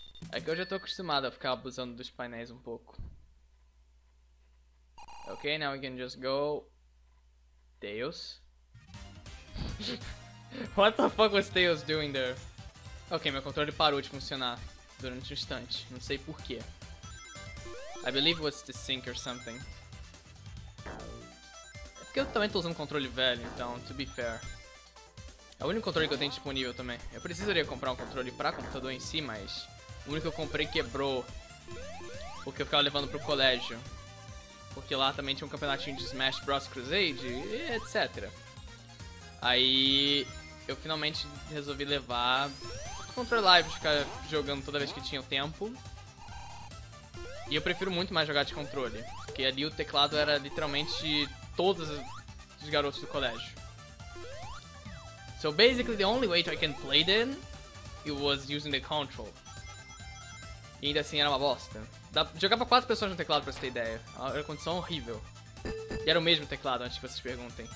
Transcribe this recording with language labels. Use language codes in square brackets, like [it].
[pt] É que eu já tô acostumado a ficar abusando dos painéis um pouco. [en] Ok, now we can just go. Tails. What the fuck was Tails doing there? [pt] Ok, meu controle parou de funcionar durante um instante. Não sei porquê. [en] I believe it was the sync or something. [pt] É porque eu também tô usando um controle velho, então, [en] to be fair. [pt] É o único controle que eu tenho disponível também. Eu precisaria comprar um controle pra computador em si, mas... O único que eu comprei quebrou. Porque eu ficava levando pro colégio. Porque lá também tinha um campeonatinho de Smash Bros. Crusade, etc. Aí... Eu finalmente resolvi levar... O controle lá e ficar jogando toda vez que tinha o tempo. E eu prefiro muito mais jogar de controle. Porque ali o teclado era literalmente todos os garotos do colégio. [en] So basically the only way I can play then it was using the control. [pt] E ainda assim era uma bosta. Jogava 4 pessoas no teclado pra você ter ideia. Era uma condição horrível. E era o mesmo teclado antes que vocês perguntem.